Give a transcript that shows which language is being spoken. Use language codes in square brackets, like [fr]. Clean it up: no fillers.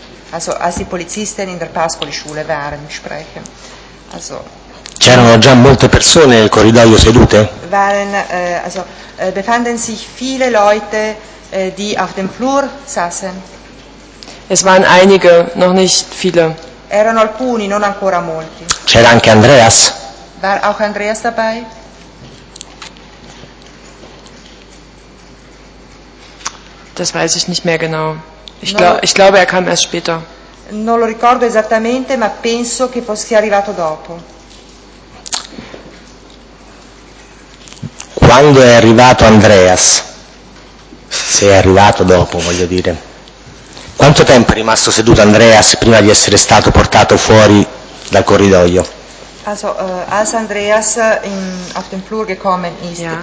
[de] Also, als die Polizisten in der Pascoli-Schule waren, sprechen. Also, [it] c'erano già molte persone nel corridoio sedute? [de] Waren also befanden sich viele Leute, die auf dem Flur saßen. Es waren einige, noch nicht viele. [it] Erano alcuni, non ancora molti. C'era anche Andreas. [de] War auch Andreas dabei? Das weiß ich nicht mehr genau. Ich glaube, er kam erst später. [it] Non lo ricordo esattamente, ma penso che sia arrivato dopo. Quando è arrivato Andreas? Se è arrivato dopo, voglio dire. Quanto tempo è rimasto seduto Andreas prima di essere stato portato fuori dal corridoio? [de] Also, als Andreas auf dem Flur gekommen ist, ja.